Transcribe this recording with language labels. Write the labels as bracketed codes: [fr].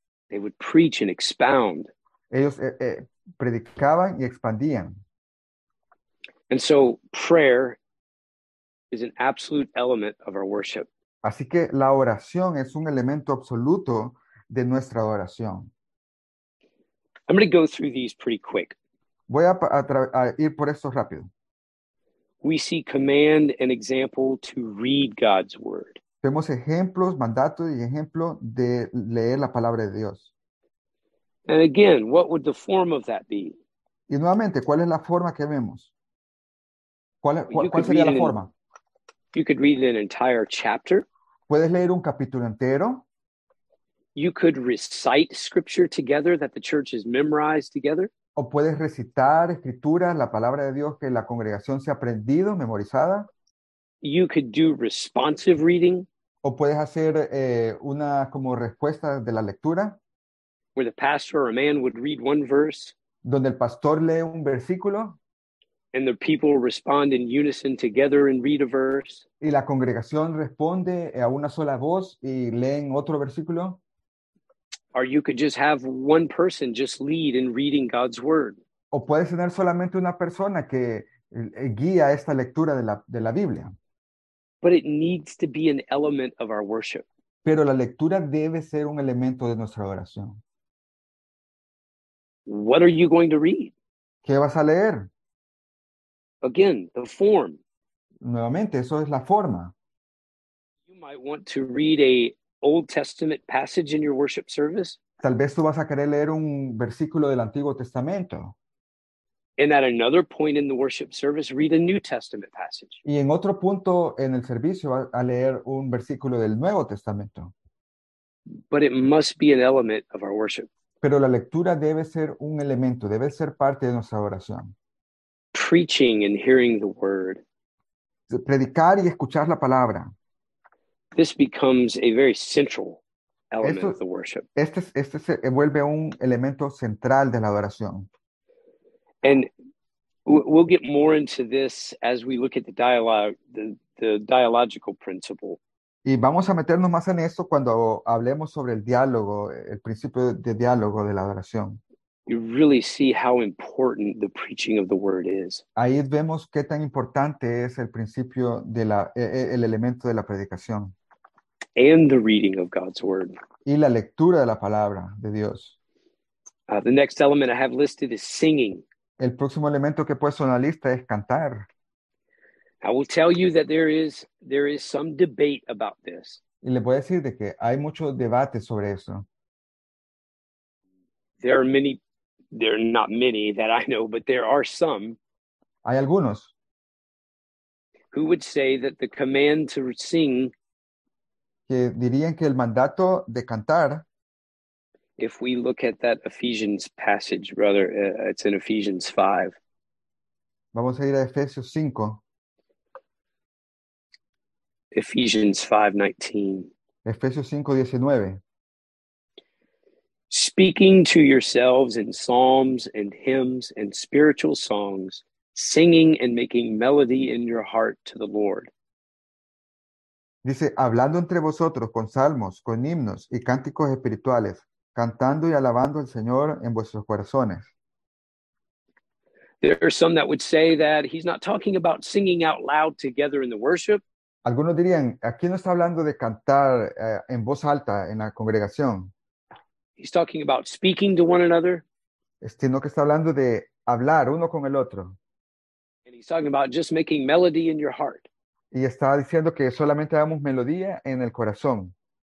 [en] They would preach and expound. [es] Ellos predicaban y expandían. [en] And so prayer is an absolute element of our worship. [es] Así que la oración es un elemento absoluto de nuestra adoración. [en] I'm going to go through these pretty quick. [es] Voy a ir por esto rápido. [en] We see command and example to read God's word. [es] Vemos ejemplos, mandato y ejemplo de leer la palabra de Dios. [en] And again, what would the form of that be? [es] Y nuevamente, ¿cuál es la forma que vemos? ¿Cuál sería la forma? [en] You could read an entire chapter. [es] Puedes leer un capítulo entero. [en] You could recite scripture together that the church has memorized together. [es] O puedes recitar escrituras, la palabra de Dios que la congregación se ha aprendido, memorizada. [en] You could do responsive reading. [es] O puedes hacer una como respuesta de la lectura. [en] Where the pastor or a man would read one verse. [es] Donde el pastor lee un versículo. [en] And the people respond in unison together and read a verse. [es] Y la congregación responde a una sola voz y leen otro versículo. [en] Or you could just have one person just lead in reading God's word. [es] O puedes tener solamente una persona que guía esta lectura de la Biblia. [en] But it needs to be an element of our worship. [es] Pero la lectura debe ser un elemento de nuestra oración. [en] What are you going to read? [es] ¿Qué vas a leer? [en] Again, the form. [es] Nuevamente, eso es la forma. [en] You might want to read a Old Testament passage in your worship service. [es] Tal vez tú vas a querer leer un versículo del Antiguo Testamento. [en] And at another point in the worship service, read a New Testament passage. [es] Y en otro punto en el servicio a leer un versículo del Nuevo Testamento. [en] But it must be an element of our worship. [es] Pero la lectura debe ser un elemento, debe ser parte de nuestra oración. [en] Preaching and hearing the word. [es] Predicar y escuchar la palabra. [en] This becomes a very central element of the worship. [es] Este se vuelve un elemento central de la adoración. [en] And we'll get more into this as we look at the dialogue, the dialogical principle. [es] Y vamos a meternos más en esto cuando hablemos sobre el diálogo, el principio de diálogo de la adoración. [en] You really see how important the preaching of the word is. [es] Ahí vemos qué tan importante es el principio de la, el elemento de la predicación. [en] And the reading of God's word. [es] Y la lectura de la palabra de Dios. [en] The next element I have listed is singing. [es] El próximo elemento que he puesto en la lista es cantar. [en] I will tell you that there is some debate about this. [es] Y le voy a decir de que hay mucho debate sobre eso. [en] There are many, there are not many that I know, but there are some. [es] Hay algunos. [en] Who would say that the command to sing. [es] Que dirían que el mandato de cantar. [en] If we look at that Ephesians passage, brother, it's in Ephesians 5. [es] Vamos a ir a Efesios 5. [en] Ephesians 5:19. [es] Efesios 5:19. [en] Speaking to yourselves in psalms and hymns and spiritual songs, singing and making melody in your heart to the Lord. [es] Dice, hablando entre vosotros con salmos, con himnos y cánticos espirituales, cantando y alabando al Señor en vuestros corazones. [en] There are some that would say that he's not talking about singing out loud together in the worship. [es] Algunos dirían, aquí no está hablando de cantar en voz alta en la congregación. [en] He's talking about speaking to one another. [es] Sino que está hablando de hablar uno con el otro. [en] And he's talking about just making melody in your heart. [es] Y está diciendo que solamente hagamos melodía en el corazón.